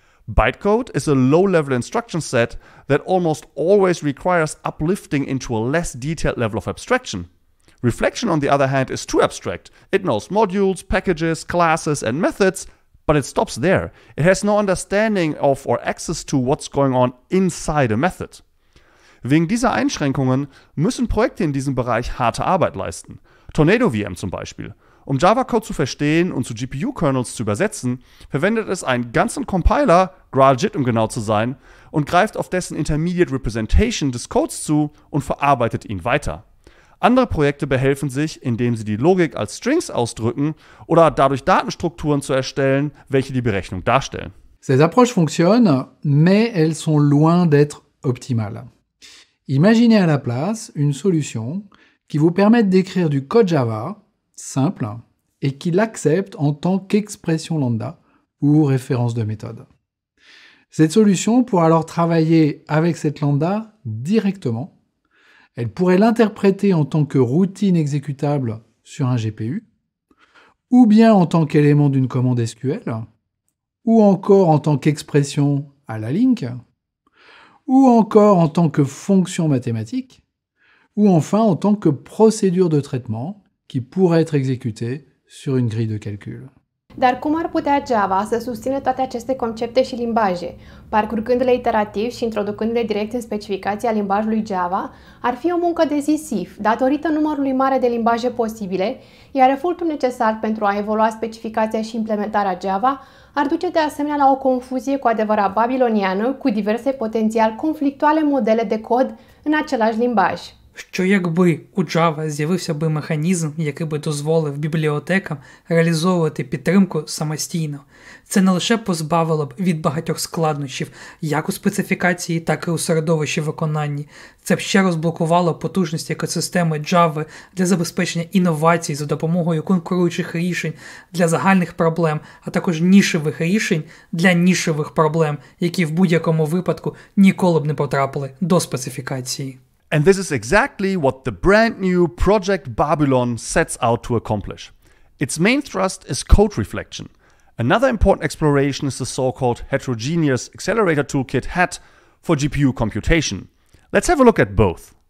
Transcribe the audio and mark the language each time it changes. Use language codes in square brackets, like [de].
[en] Bytecode is a low-level instruction set that almost always requires uplifting into a less detailed level of abstraction. Reflection, on the other hand, is too abstract. It knows modules, packages, classes, and methods, but it stops there. It has no understanding of or access to what's going on inside a method. [de] Wegen dieser Einschränkungen müssen Projekte in diesem Bereich harte Arbeit leisten. Tornado VM zum Beispiel. Um Java-Code zu verstehen und zu GPU-Kernels zu übersetzen, verwendet es einen ganzen Compiler, GraalJIT um genau zu sein, und greift auf dessen Intermediate Representation des Codes zu und verarbeitet ihn weiter. Andere Projekte behelfen sich, indem sie die Logik als Strings ausdrücken oder dadurch Datenstrukturen zu erstellen, welche die Berechnung darstellen. [fr] Ces approches fonctionnent, mais elles sont loin d'être optimales. Imaginez à la place une solution qui vous permette d'écrire du code Java simple et qui l'accepte en tant qu'expression lambda ou référence de méthode. Cette solution pourra alors travailler avec cette lambda directement. Elle pourrait l'interpréter en tant que routine exécutable sur un GPU, ou bien en tant qu'élément d'une commande SQL, ou encore en tant qu'expression à la link, ou encore en tant que fonction mathématique, ou enfin en tant que procédure de traitement qui pourrait être exécutée sur une grille de calcul. [ro] Dar cum ar putea Java să susțină toate aceste concepte și limbaje? Parcurgându-le iterativ și introducându-le direct în specificația limbajului Java, ar fi o muncă de Sisif, datorită numărului mare de limbaje posibile, iar efortul necesar pentru a evolua specificația și implementarea Java ar duce de asemenea la o confuzie cu adevărat babiloniană, cu diverse potențial conflictuale modele de cod în același limbaj. [uk] Що якби у Java з'явився би механізм, який би дозволив бібліотекам реалізовувати підтримку самостійно? Це не лише позбавило б від багатьох складнощів, як у специфікації, так і у середовищі виконання. Це б ще розблокувало потужність екосистеми Java для забезпечення інновацій за допомогою конкуруючих рішень для загальних проблем, а також нішевих рішень для нішевих проблем, які в будь-якому випадку ніколи б не потрапили до специфікації. [en] And this is exactly what the brand new Project Babylon sets out to accomplish. Its main thrust is code reflection. Another important exploration is the so-called Heterogeneous Accelerator Toolkit HAT for GPU computation. Let's have a look at both.